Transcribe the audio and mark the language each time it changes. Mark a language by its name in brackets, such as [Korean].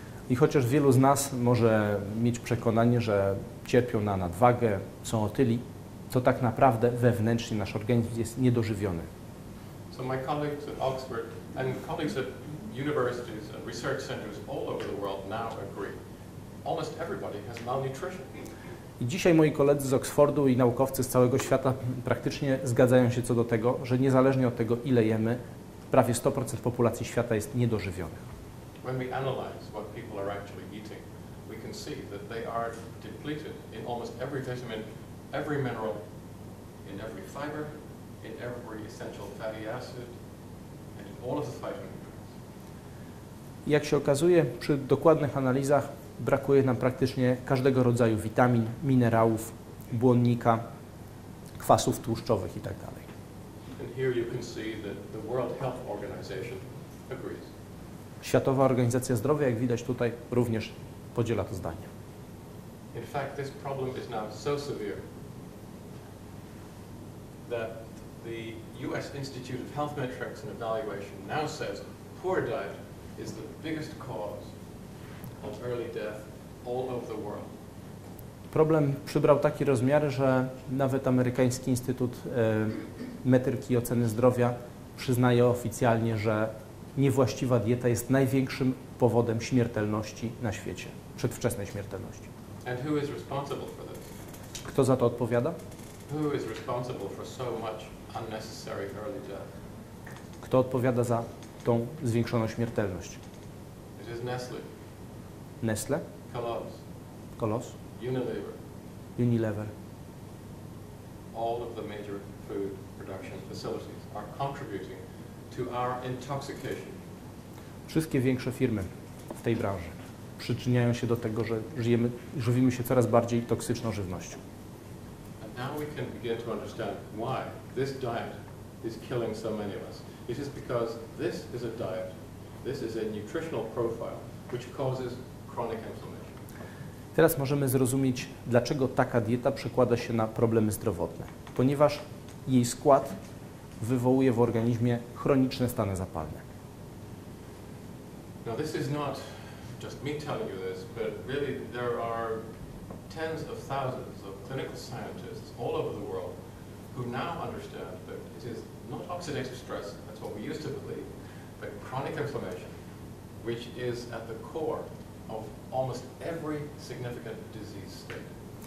[Polish] I chociaż wielu z nas może mieć przekonanie, że cierpią na nadwagę, są otyli, to tak naprawdę wewnętrznie nasz organizm jest niedożywiony. [English] So my colleagues at Oxford and colleagues at universities and research centers all over the world now agree. Almost everybody has malnutrition. [Polish] I dzisiaj moi koledzy z Oxfordu i naukowcy z całego świata praktycznie zgadzają się co do tego, że niezależnie od tego, ile jemy, prawie 100% populacji świata jest niedożywionych. [English] When we analyze what people are actually eating, we can see that they are depleted in almost every vitamin, every mineral, in every fiber, in every essential fatty acid, and in all of the phytonutrients. [Polish] Jak się okazuje, przy dokładnych analizach brakuje nam praktycznie każdego rodzaju witamin, minerałów, błonnika, kwasów tłuszczowych itd. [English] And here you can see that the World Health Organization agrees. [Polish] Światowa Organizacja Zdrowia, jak widać tutaj, również podziela to zdanie. [English] In fact, this problem is now so severe that the US Institute of Health Metrics and Evaluation now says poor diet is the biggest cause of early death all over the world. [Polish] Problem przybrał taki rozmiar, że nawet amerykański Instytut Metryki i Oceny Zdrowia przyznaje oficjalnie, że niewłaściwa dieta jest największym powodem śmiertelności na świecie, przedwczesnej śmiertelności. [English] And who is responsible for this? [Polish] Kto za to odpowiada? [English] Who is responsible for so much unnecessary early death? [Polish] Kto odpowiada za tą zwiększoną śmiertelność? [English] It is Nestle. [Polish] Nestle? Kolos? [English] Unilever. All of the major food production facilities are contributing to our intoxication. [Polish] Wszystkie większe firmy w tej branży przyczyniają się do tego, że żywimy się coraz bardziej toksyczną żywnością. [English] And now we can begin to understand why this diet is killing so many of us. It is because this is a diet, this is a nutritional profile which causes chronic inflammation. [Polish] Teraz możemy zrozumieć, dlaczego taka dieta przekłada się na problemy zdrowotne. Ponieważ jej skład wywołuje w organizmie chroniczne stany zapalne. [English] Now this is not just me telling you this, but really there are tens of thousands of clinical scientists all over the world who now understand that it is not oxidative stress, that's what we used to believe, but chronic inflammation, which is at the core of almost every significant disease state.